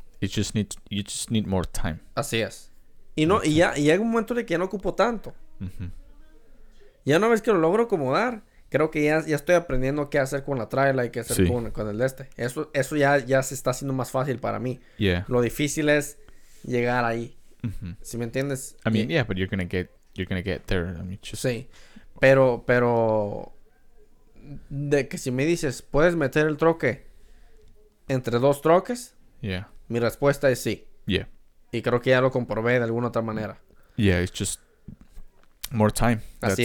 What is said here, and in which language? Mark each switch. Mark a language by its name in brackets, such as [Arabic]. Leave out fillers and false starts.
[English] You just need more time. [Spanish] Así es. Y no, y ya, y llega un momento en el que ya no ocupo tanto. Mm-hmm. Ya una vez que lo logro acomodar, creo que ya estoy aprendiendo qué hacer con la trailer y qué hacer, sí, con el de este. Eso ya se está haciendo más fácil para mí. [English] Yeah. [Spanish] Lo difícil es llegar ahí. Mm-hmm. ¿Sí me entiendes? [English] I mean, yeah, but you're gonna get there. I mean, just... [Spanish] Sí. Pero de que si me dices, ¿puedes meter el troque entre dos troques? [English] Yeah. [Spanish] Mi respuesta es sí. [English] Yeah. [Spanish] Y creo que ya lo comprobé de alguna otra manera. [English] Yeah, it's just more time. [Spanish] Así